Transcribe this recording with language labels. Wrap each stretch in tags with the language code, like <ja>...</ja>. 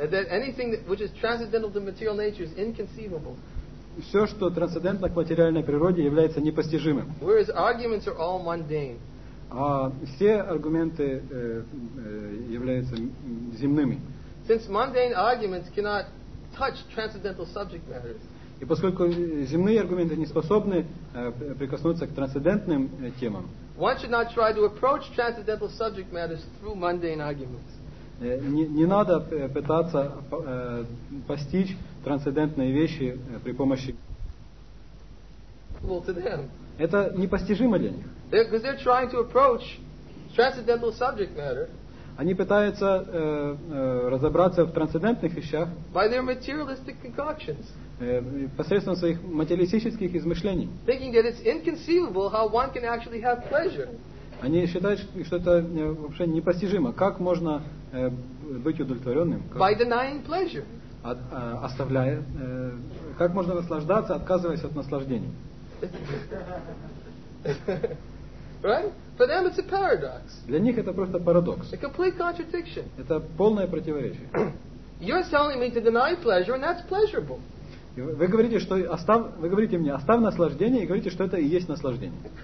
<en>Anything which is transcendental to material nature is inconceivable.</en> <ru>Все, что трансцендентно к материальной природе, является непостижимым.</ru> <en>Whereas arguments are all mundane.</en> <ru>А все аргументы являются земными.</ru> <en>Since mundane arguments cannot touch transcendental subject matters.</en> <ru>И поскольку земные аргументы не способны прикоснуться к трансцендентным темам.</ru> <en>One should not try to approach transcendental subject matters through mundane arguments.</en> <ru>Не надо пытаться постичь трансцендентные вещи при помощи.</ru> <en>Well, to them.</en> <ru>Это непостижимо для них.</ru> <en>Because they're trying to approach transcendental subject matter.</en> <ru>Они пытаются разобраться в трансцендентных вещах.</ru> <en>By their materialistic concoctions.</en> <ru>Посредством своих материалистических измышлений.</ru> <en>Thinking that it's inconceivable how one can actually have pleasure.</en> <ru>Они считают, что это вообще непостижимо. Как можно быть удовлетворенным?</ru> <en>By denying pleasure.</en> <ru>Оставляя. Как можно наслаждаться, отказываясь от наслаждений?</ru> <en>Right? For them it's a paradox.</en> <ru>Для них это просто парадокс.</ru> <en>A complete contradiction.</en> <ru>Это полное противоречие.</ru> <en>You're telling me to deny pleasure, and that's pleasurable.</en> <ru>Вы говорите мне, оставь наслаждение, и говорите, что это и есть наслаждение.</ru>